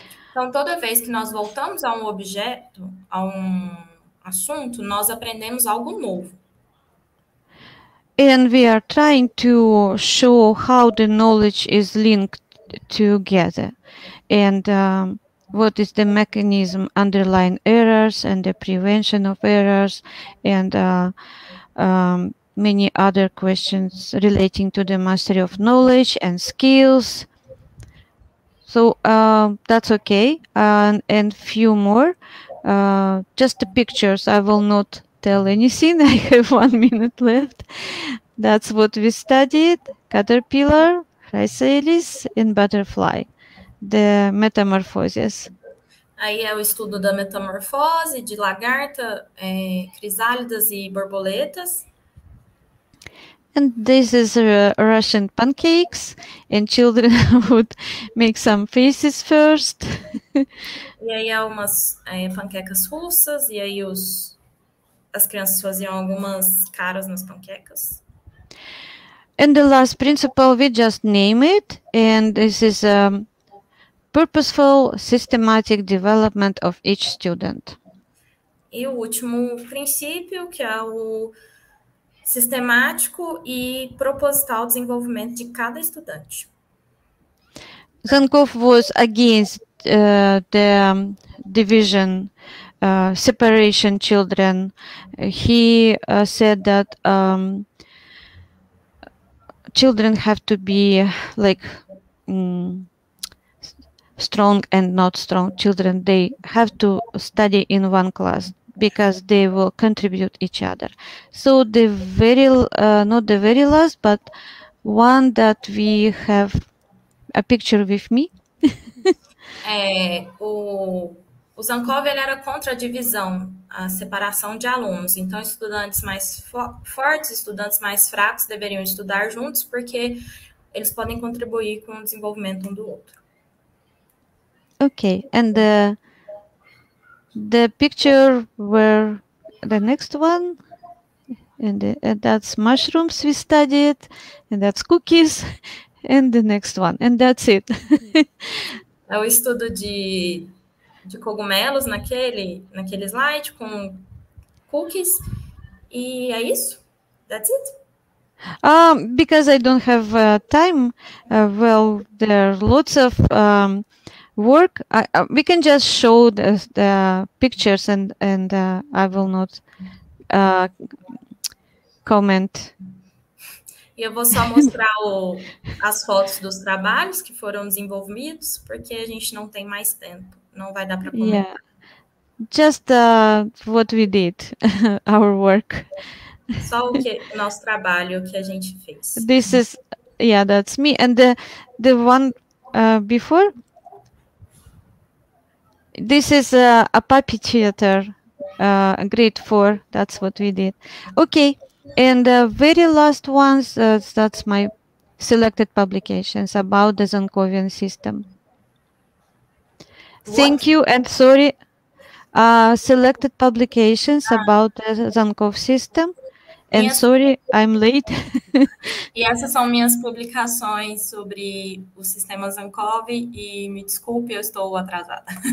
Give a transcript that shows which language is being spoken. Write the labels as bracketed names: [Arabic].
[Portuguese] Então, toda vez que nós voltamos a um objeto, a um assunto, nós aprendemos algo novo. [English] And we are trying to show how the knowledge is linked together and what is the mechanism underlying errors and the prevention of errors and many other questions relating to the mastery of knowledge and skills. So that's okay. And few more, just the pictures. I will not tell anything. I have 1 minute left. That's what we studied: caterpillar, chrysalis, and butterfly, the metamorphoses. [Portuguese] Aí é o estudo da metamorfose de lagarta, crisálidas e borboletas. [English] And this is Russian pancakes, and children would make some faces first. [Portuguese] E aí há umas panquecas russas, e aí as crianças faziam algumas caras nas panquecas. [English] And the last principle, we just name it, and this is a purposeful, systematic development of each student. [Portuguese] E o último princípio, que é o sistemático e proposital desenvolvimento de cada estudante. [English] Zenkov was against the division, separation children. He said that children have to be like strong and not strong children. They have to study in one class because they will contribute each other. So the very not the very last, but one that we have a picture with me. [Portuguese] O Zankov, ele era contra a divisão, a separação de alunos. Então, estudantes mais fortes, estudantes mais fracos deveriam estudar juntos porque eles podem contribuir com o desenvolvimento um do outro. [English] Okay, and the picture where the next one, and that's mushrooms we studied, and that's cookies, and the next one, and that's it. [Portuguese] É o estudo de cogumelos naquele slide com cookies. E é isso? [English] That's Because I don't have time, well, there are lots of work. We can just show the pictures, and I will not comment. it? [Portuguese] E eu vou só mostrar as fotos dos trabalhos que foram desenvolvidos, porque a gente não tem mais tempo. Não vai dar para comentar. [English] Yeah, just what we did, our work. [Portuguese] Só o nosso trabalho que a gente fez. [English] This is, yeah, that's me, and the one before. This is a puppy theater, grade 4. That's what we did. Okay, and the very last ones, that's my selected publications about the Zankovian system. What? Thank you, and sorry, selected publications about the Zankov system. And sorry, I'm late. [Portuguese] E essas são minhas publicações sobre o sistema Zankov, e me desculpe, eu estou atrasada.